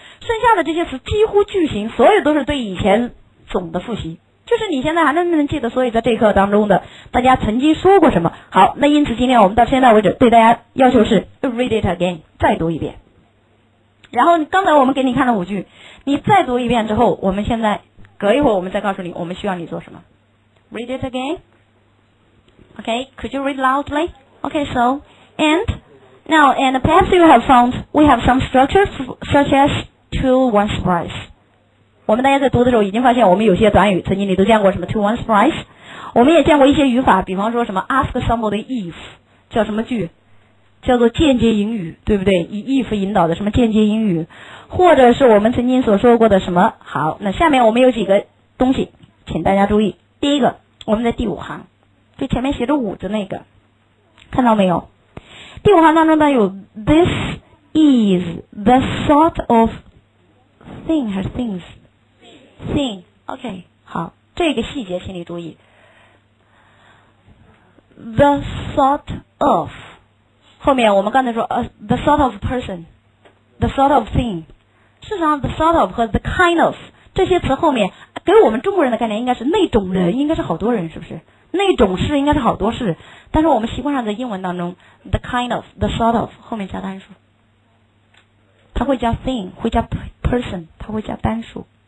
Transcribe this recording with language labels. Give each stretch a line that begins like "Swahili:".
Chinese: 剩下的这些词几乎句型所有都是对以前总的复习，就是你现在还能不能记得，所以在这课当中的大家曾经说过什么。好，那因此今天我们到现在为止对大家要求是 read it again，再读一遍。然后刚才我们给你看了五句，你再读一遍之后，我们现在隔一会儿我们再告诉你我们需要你做什么。
English: read it again， OK， could you read loudly？ OK， so and now and perhaps you have found we have some structures such asTo once thrice，我们大家在读的时候已经发现我们有些短语曾经你都见过什么 to once thrice，我们也见过一些语法，比方说什么 ask somebody if，叫什么句？
Chinese: 叫做间接引语，对不对？以 if 引导的什么间接引语，或者是我们曾经所说过的什么。好，那下面我们有几个东西请大家注意。第一个，我们在第五行就前面写着五的那个，看到没有？第五行当中呢有 this is the sort of thing 还是 things?
English: Thing.
Chinese: OK, 好，这个细节请你注意。
English: The sort of, 后面我们刚才说 the sort of person, the sort of thing.
Chinese: 事实上 the sort of 和 the kind of, 这些词后面给我们中国人的概念应该是那种人，应该是好多人，是不是？那种事应该是好多事，但是我们习惯上在英文当中 the kind of, the sort of 后面加单数，它会加 thing, 会加 person, 它会加单数。